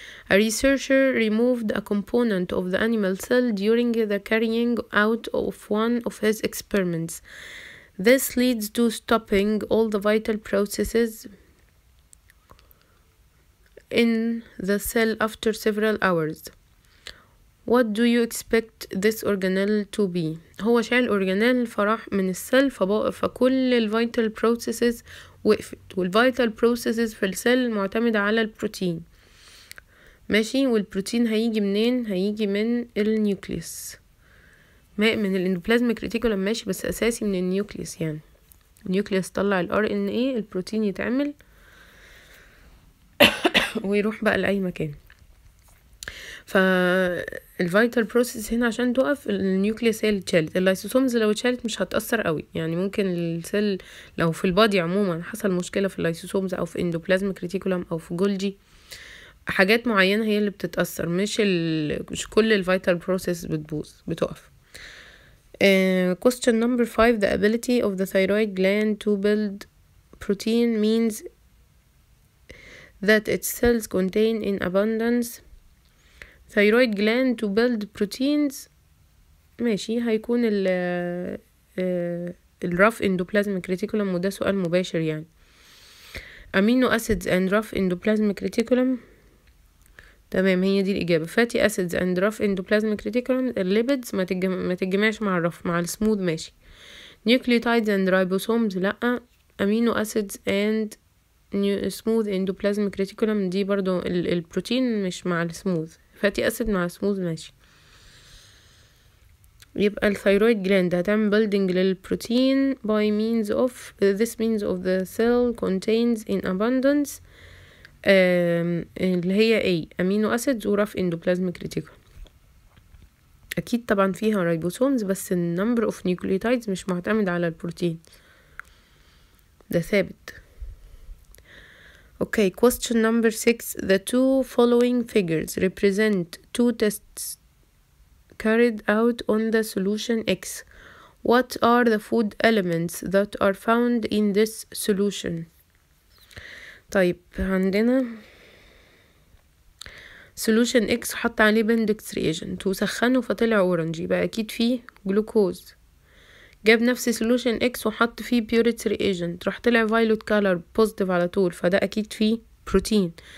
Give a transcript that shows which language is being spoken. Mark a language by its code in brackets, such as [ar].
[en] A researcher removed a component of the animal cell during the carrying out of one of his experiments. This leads to stopping all the vital processes in the cell after several hours. What do you expect this organelle to be? [ar] هو شال أورجانيل فراح من السل, فكل الفيتال بروسيسز وقفت. والفيتال بروسيسز في السل معتمدة على البروتين. ماشي. والبروتين هيجي منين؟ هيجي من النيوكليس. ماء من الاندوبلازميك ريتيكولم ماشي، بس اساسي من النيوكليس، يعني النيوكليس طلع الار ان ايه، البروتين يتعمل ويروح بقى لاي مكان. فالفايتال بروسيس هنا عشان توقف، النيوكليس هي اللي اتشالت. اللايسوسومز لو اتشالت مش هتأثر قوي، يعني ممكن السيل لو في البادي عموما حصل مشكلة في اللايسوسومز او في اندوبلازميك ريتيكولم او في جولجي، حاجات معينة هي اللي بتتأثر، مش كل الفايتال بروسيس بتبوظ بتقف. [en] question number 5, the ability of the thyroid gland to build protein means that its cells contain in abundance. thyroid gland to build proteins ماشي، هيكون ال rough endoplasmic reticulum، [ar] وده سؤال مباشر يعني. [en] amino acids and rough endoplasmic reticulum، [ar] تمام هي دي الإجابة. [en] fatty acids and rough endoplasmic reticulum، [ar] الليبيدز ما تجمعش مع الرف، مع السموث ماشي. [en] nucleotides and ribosomes لا، amino acids and smooth endoplasmic reticulum [ar] دي برضو البروتين مش مع السموث، فاتي اسيد مع سموث ماشي. يبقى الثايرويد جلاند هتعمل بيلدينج للبروتين [en] by means of this means of the cell contains in abundance, [ar] اللي هي ايه، امينو اسيد وراف اندوبلازميك ريتيكول. اكيد طبعا فيها رايبوسومز، بس النمبر اوف نيوكليوتايدز مش معتمد على البروتين، ده ثابت. [en] Okay, question number 6. The two following figures represent two tests carried out on the solution X. What are the food elements that are found in this solution? [ar] طيب عندنا solution X حط عليه Bendix reagent وسخنه فطلع اورنجي، بقى اكيد فيه جلوكوز. جاب نفس سولوشن اكس وحط فيه بيوريتي ريجنت، راح طلع فايلوت كالر بوزيتيف على طول، فده اكيد فيه بروتين.